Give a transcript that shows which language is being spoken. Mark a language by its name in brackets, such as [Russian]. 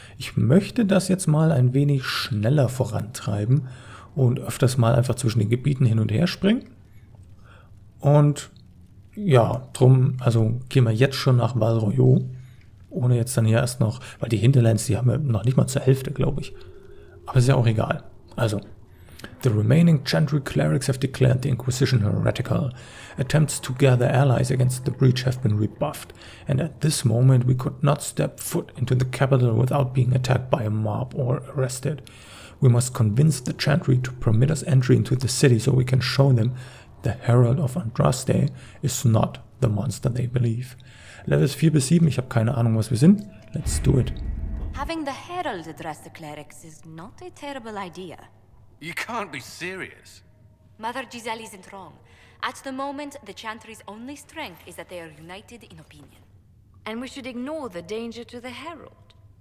[German] Ich möchte das jetzt mal ein wenig schneller vorantreiben und öfters mal einfach zwischen den Gebieten hin und her springen. Und ja, drum, also gehen wir jetzt schon nach Balroyo, ohne jetzt dann hier erst noch, weil die Hinterlands, die haben wir noch nicht mal zur Hälfte, glaube ich. Aber ist ja auch egal. [English] Also, the remaining Chantry clerics have declared the Inquisition heretical. Attempts to gather allies against the breach have been rebuffed. And at this moment we could not step foot into the capital without being attacked by a mob or arrested. We must convince the Chantry to permit us entry into the city so we can show them, the Herald of Andraste is not the monster they believe. [German] Levels 4 bis 7, ich habe keine Ahnung, was wir sind. [English] Let's do it. Having the Herald address the clerics is not a terrible idea. You can't be serious. Mother Giselle isn't wrong. At the moment, the Chantry's only strength is that they are united in opinion. And we should ignore the danger to the Herald.